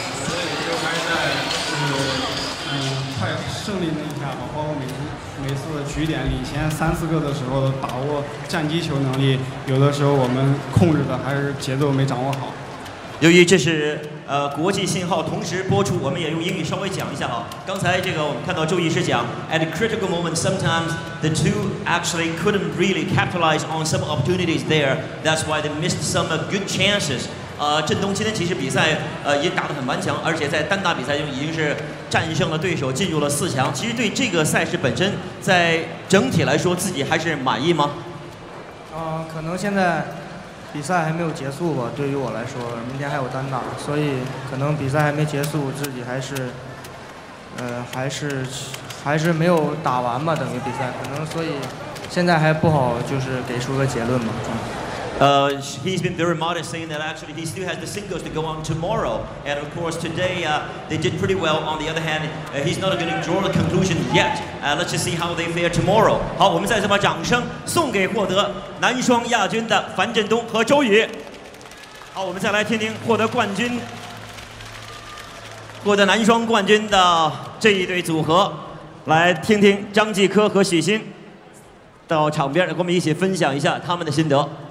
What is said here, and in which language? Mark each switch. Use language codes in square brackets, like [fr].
[zh] 所以就还是在太胜利那一下吧，包括每次局点领先三四个的时候，把握战机球能力，有的时候我们控制的还是节奏没掌握好。由于这是国际信号同时播出，我们也用英语稍微讲一下哈。刚才这个我们看到周医师讲 [en] ，at a critical moment sometimes the two actually couldn't really capitalize on some opportunities there. That's why they missed some good chances. [zh] 振东今天其实比赛也打得很顽强，而且在单打比赛中已经是战胜了对手，进入了四强。其实对这个赛事本身，在整体来说自己还是满意吗？可能现在比赛还没有结束吧，对于我来说明天还有单打，所以可能比赛还没结束，自己还是没有打完吧，等于比赛可能，所以现在还不好就是给出个结论吧。 [en] He's been very modest saying that actually he still has the singles to go on tomorrow, and of course today they did pretty well. On the other hand, he's not going to draw the conclusion yet. Let's just see how they fare tomorrow. [zh] 好，我们再次把掌声送给获得男双亚军的樊振东和周雨。好，我们再来听听获得冠军、获得男双冠军的这一对组合，来听听张继科和许昕到场边，跟我们一起分享一下他们的心得。